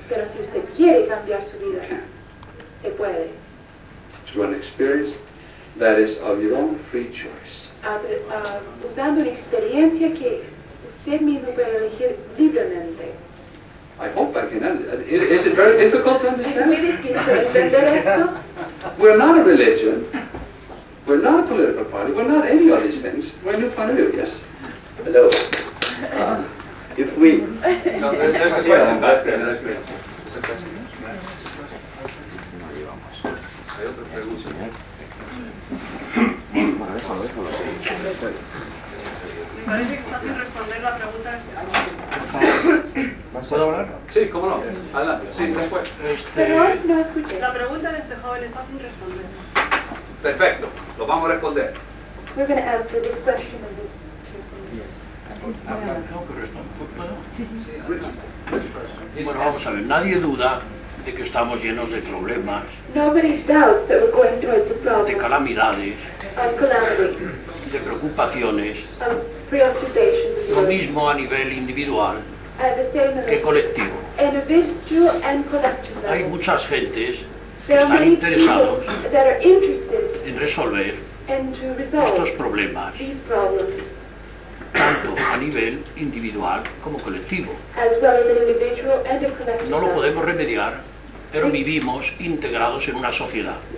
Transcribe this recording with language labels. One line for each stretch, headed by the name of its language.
Spanish: pero si usted quiere cambiar su vida, se puede.
English: Through an experience that is of your own free choice.
Spanish: Usando una experiencia que usted mismo puede elegir libremente.
English: I hope I can understand. Is it very difficult to understand?
Spanish: Es muy difícil entender esto.
English: We're not a religion. We're not a political party. We're not any of these things. We're a new point of view. Yes. Hello. If we... No, there's a question back there. There's a question.
Spanish: Me parece que está sin responder la pregunta de este joven. ¿Puedo hablar? Sí, cómo no. Adelante. Sí, después. La pregunta de este joven está sin responder. Perfecto, lo vamos a responder.
English: We're going to answer this question of this. Yes.
Spanish: Bueno, vamos a ver, nadie duda de que estamos llenos de problemas.
English: Nobody doubts that we're going towards a problem.
Spanish: De calamidades.
English: Of calamity.
Spanish: De preocupaciones.
English: Of preoccupations.
Spanish: Lo mismo a nivel individual.
English: At the same level.
Spanish: Que colectivo.
English: Individual and collective level.
Spanish: Hay muchas gentes que están interesados
English: that are interested
Spanish: en resolver
English: and to resolve
Spanish: estos problemas.
English: These problems.
Spanish: Tanto a nivel individual como colectivo.
English: As well as an individual and a collective.
Spanish: No lo podemos remediar, pero vivimos integrados en una sociedad.